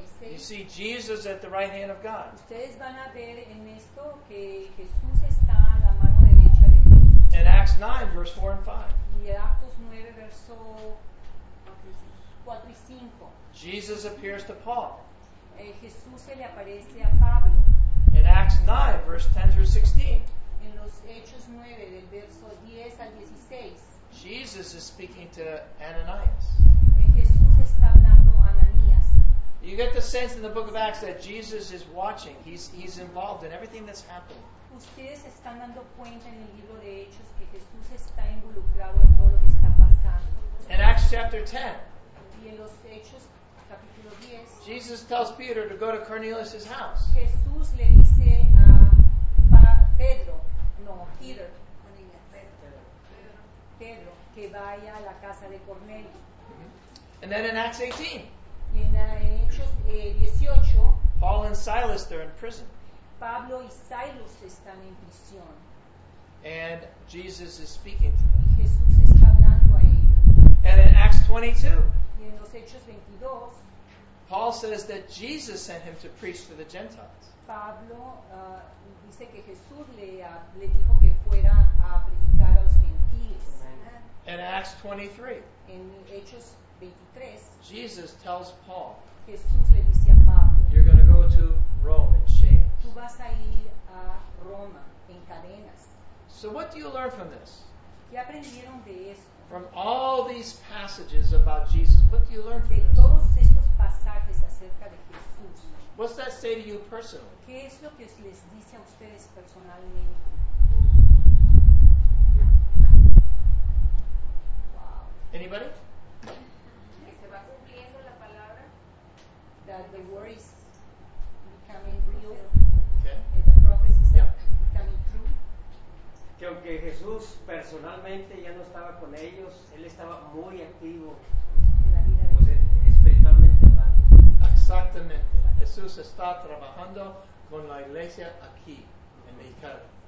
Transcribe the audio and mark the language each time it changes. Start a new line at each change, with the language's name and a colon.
English: You see Jesus at the right hand of God.
Spanish: Ustedes van a ver en esto que Jesús está a la mano derecha de Dios.
English: In Acts 9, verse 4 and 5.
Spanish: Y Actos 9, verso 4 y 5.
English: Jesus appears to Paul.
Spanish: Jesús se le aparece a Pablo.
English: In Acts 9, verse 10 through 16.
Spanish: En los Hechos 9, del verso 10 al 16.
English: Jesus is speaking to Ananias.
Spanish: Jesús está hablando a Ananias.
English: You get the sense in the book of Acts that Jesus is watching. He's involved in everything that's happening.
Spanish: Ustedes están dando cuenta en el libro de Hechos que Jesús está involucrado en todo lo que está pasando.
English: In Acts chapter 10.
Spanish: Y en los Hechos capítulo 10.
English: Jesus tells Peter to go to Cornelius' house.
Spanish: Jesús le dice a Pedro, no, Peter. Que vaya a la casa de Cornelio.
English: And then in Acts 18.
Spanish: En Hechos 18.
English: Paul and Silas, they're in prison.
Spanish: Pablo y Silas están en prisión.
English: And Jesus is speaking to them.
Spanish: Y Jesús está hablando a ellos.
English: And in Acts 22.
Spanish: Y en los Hechos 22.
English: Paul says that Jesus sent him to preach to the Gentiles.
Spanish: Pablo dice que Jesús le dijo que fuera a predicar a los gentiles.
English: In Acts 23.
Spanish: En Hechos 23.
English: Jesus tells Paul.
Spanish: Jesús le dice a Pablo.
English: You're going to go to Rome in chains.
Spanish: Tú vas a ir a Roma en cadenas.
English: So what do you learn from this?
Spanish: ¿Qué aprendieron de esto?
English: From all these passages about Jesus, what do you learn from
Spanish: de
English: this?
Spanish: Todos estos pasajes acerca de Jesús.
English: What's that say to you personally?
Spanish: ¿Qué es lo que les dice a ustedes personalmente?
English: Anybody? That the word is becoming real. Okay. And the prophecy is becoming true.
Spanish: Que aunque Jesús personalmente ya no estaba con ellos, él estaba muy activo en la vida de ellos. Espiritualmente hablando. Exactamente. Jesús está trabajando con la iglesia aquí en Mexicali.